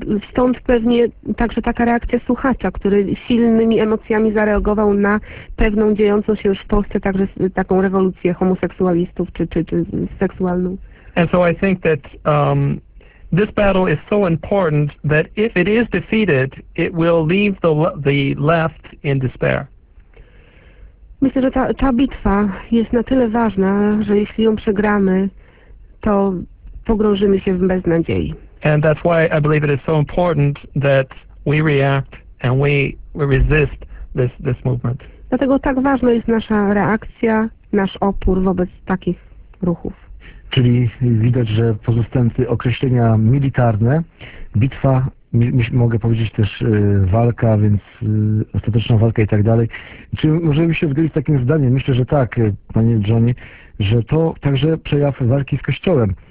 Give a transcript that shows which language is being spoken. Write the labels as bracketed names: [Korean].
[Polish] Stąd pewnie także taka reakcja słuchacza, który silnymi emocjami zareagował na pewną dziejącą się już w Polsce także taką rewolucję homoseksualistów czy seksualną. [English] And so I think that this battle is so important that if it is defeated, it will leave the left in despair. [Polish] Myślę, że ta bitwa jest na tyle ważna, że jeśli ją przegramy, to pogrążymy się w beznadziei. [English] And that's why I believe it is so important that we react and we resist this movement. [Polish] Dlatego tak ważna jest nasza reakcja, nasz opór wobec takich ruchów. Czyli widać, że pozostępcy określenia militarne, bitwa, mogę powiedzieć też walka, więc ostateczna walka i tak dalej. Czy możemy się zgodzić z takim zdaniem? Myślę, że tak, panie Johnny, że to także przejaw walki z Kościołem.